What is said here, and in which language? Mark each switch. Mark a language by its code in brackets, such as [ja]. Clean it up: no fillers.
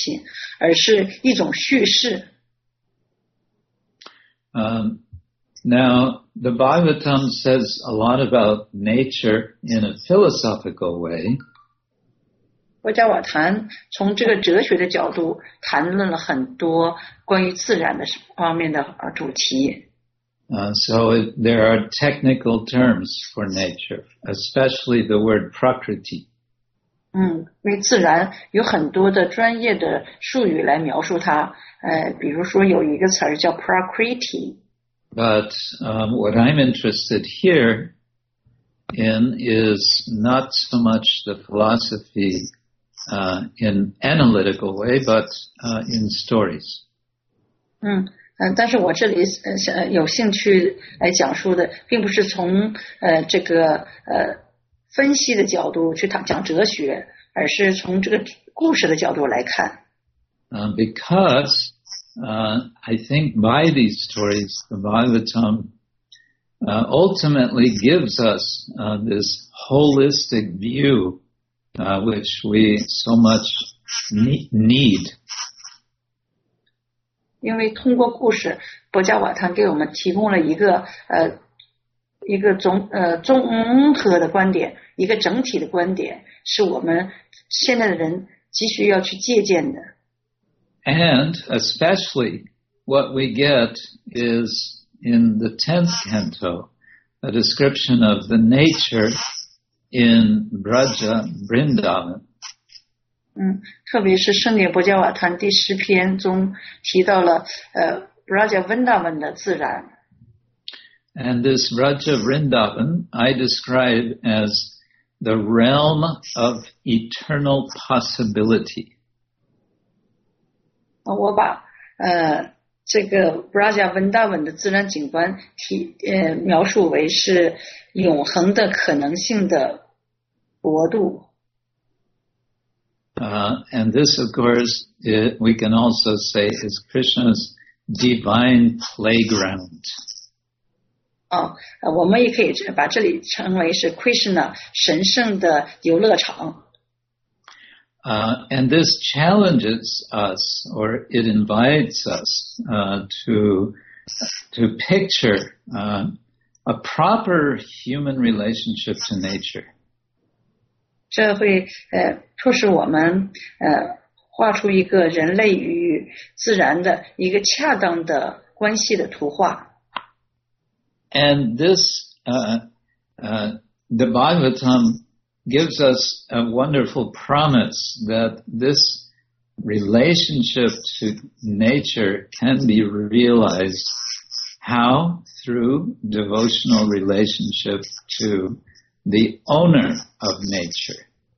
[zh] 我说的故事不是一些虚幻的事情，而是一种叙事。 [en] Now, the Bhagavatam says a lot about nature in a philosophical way. [zh] 博迦瓦谭从这个哲学的角度谈论了很多关于自然的方面的主题。 [en] So there are technical terms for nature, especially the word prakriti. [zh] 为自然有很多的专业的术语来描述它，比如说有一个词叫 prakriti。 [en] But what I'm interested here in is not so much the philosophy in analytical way, but in stories. [zh] 但是我这里有兴趣来讲述的并不是从这个分析的角度去讲哲学，而是从这个故事的角度来看。 [en] Because, I think by these stories, the Bhagavatam, ultimately gives us, this holistic view, which we so much need. [zh] 因为通过故事，博伽瓦坦给我们提供了一个综合的观点，一个整体的观点，是我们现在的人急需要去借鉴的。 [en] And especially what we get is in the 10th canto, a description of the nature in Braja Vrindavan. [zh] 特别是圣典博伽瓦坦第十篇中提到了Braja Vrindavan 的自然。 [en] And this Braja Vrindavan, I describe as the realm of eternal possibility. [zh] 我把这个 Braja Vrindavan 的自然景观描述为是永恒的可能性的国度。 [en] And this, of course, we can also say is Krishna's divine playground. [zh] 我们也可以把这里称为是 Krishna 神圣的游乐场。 [en] And this challenges us, or it invites us, to picture a proper human relationship to nature. [zh] 这会迫使我们画出一个人类与自然的一个恰当的关系的图画。 [en] And this, the Bhagavatam gives us a wonderful promise that this relationship to nature can be realized how? Through devotional relationship to the owner of nature.